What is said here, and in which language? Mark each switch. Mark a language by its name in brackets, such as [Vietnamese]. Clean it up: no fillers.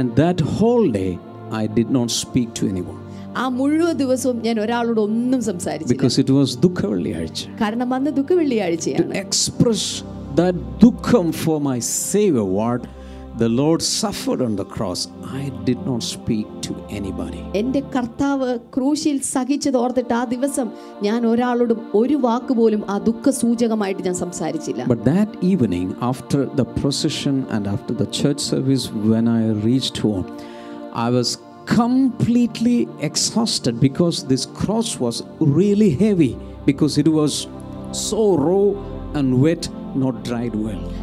[English] And that whole day I did not speak to anyone. [Malayalam] ആ മുഴുവൻ ദിവസവും ഞാൻ ഒരാളോട് ഒന്നും സംസാരിച്ചില്ല. [English] Because it was ദുഃഖവെള്ളിയാഴ്ച. [Malayalam] കാരണം അന്ന് ദുഃഖവെള്ളിയാഴ്ചയാണ്. [English] To express that dukkham for my savior, what the Lord suffered on the cross, I did not speak to anybody. [Malayalam] എൻ്റെ കർത്താവ് ക്രൂശിൽ സഹിച്ചത് ഓർത്തിട്ട് ആ ദിവസം ഞാൻ ഒരാളോടും ഒരു വാക്ക് പോലും ആ ദുഃഖ സൂചകമായിട്ട് ഞാൻ സംസാരിച്ചില്ല. [English] But that evening after the procession and after the church service, when I reached home, I was completely exhausted because this cross was really heavy, because it was so raw and wet, not dried well.